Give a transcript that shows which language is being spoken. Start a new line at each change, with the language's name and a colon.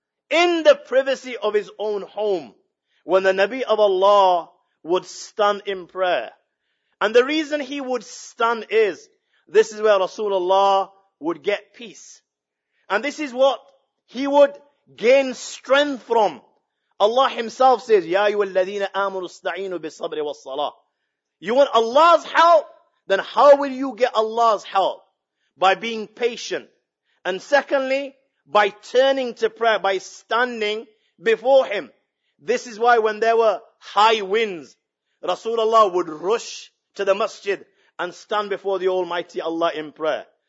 English: In the privacy of his own home, when the Nabi of Allah would stand in prayer. And the reason he would stand is, this is where Rasulullah would get peace. And this is what he would gain strength from. Allah himself says,
Arabic: يَا أَيُّهَا الَّذِينَ آمَنُوا اسْتَعِينُوا بِالصَّبْرِ وَالصَّلَاةِ.
English: You want Allah's help? Then how will you get Allah's help? By being patient. And secondly, by turning to prayer, by standing before him. This is why when there were high winds, Rasulullah would rush to the masjid and stand before the Almighty Allah in prayer.